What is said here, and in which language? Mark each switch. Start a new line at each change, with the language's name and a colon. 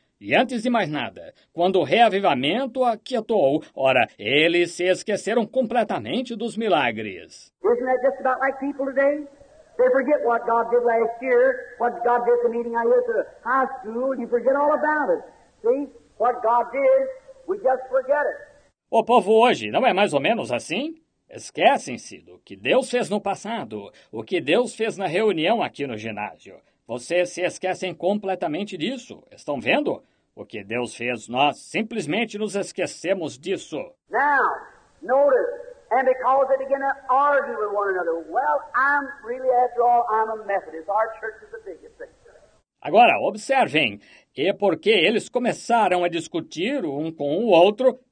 Portuguese: E antes de mais nada, quando o reavivamento aquietou, ora, eles se esqueceram completamente dos milagres.
English: Isn't that just about like people today? They forget what God did last year, what God did at the meeting I was at the high school, you forget all about it. See? What God did, we just forget it.
Portuguese: O povo hoje não é mais ou menos assim? Esquecem-se do que Deus fez no passado, o que Deus fez na reunião aqui no ginásio. Vocês se esquecem completamente disso. Estão vendo? O que Deus fez, nós simplesmente nos esquecemos disso.
English: Now, notice, and because they begin to argue with one another, well, I'm really, after all, I'm a Methodist. Our church is the biggest thing.
Portuguese: Agora, observem, e porque eles começaram a discutir um com o outro...